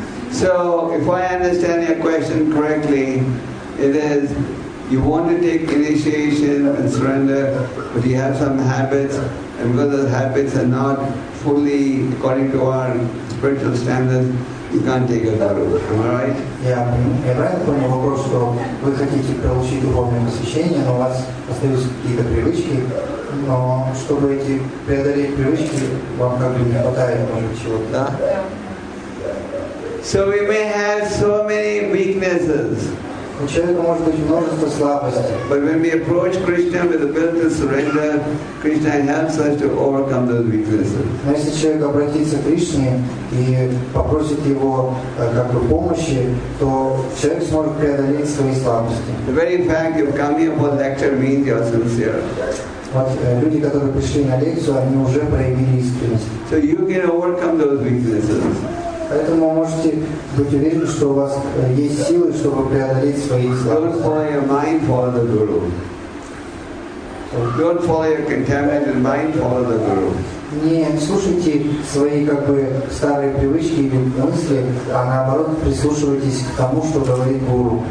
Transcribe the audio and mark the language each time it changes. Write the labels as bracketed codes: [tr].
[en] So, if I understand your question correctly, it is you want to take initiation and surrender, but you have some habits, and because those habits are not fully according to our spiritual standards, you can't take it out of it, am I right? [ru] Yeah, я правильно понял вопрос, что вы хотите получить духовное насыщение, но у вас остаются какие-то привычки, но чтобы эти преодолеть привычки, вам как бы не хватает, может, чего-то. Да? [en] So we may have so many weaknesses. [ru] У человека может быть множество слабостей. [en] But when we approach Krishna with a will to surrender, Krishna helps us to overcome those weaknesses. [ru] Но если человек обратится к Кришне и попросит его как бы помощи, то человек сможет преодолеть свои слабости. [en] The very fact you've come here for lecture means you're sincere. [ru] люди, которые пришли на лекцию, они уже проявили искренность. [en] So you can overcome those weaknesses. [ru] Поэтому можете быть уверены, что у вас есть силы, чтобы преодолеть свои слабости. [en] Mind follow the guru. Don't follow your contaminated mind, follow the guru. [ru] Не слушайте свои старые привычки или мысли, а наоборот прислушивайтесь к тому, что говорит гуру.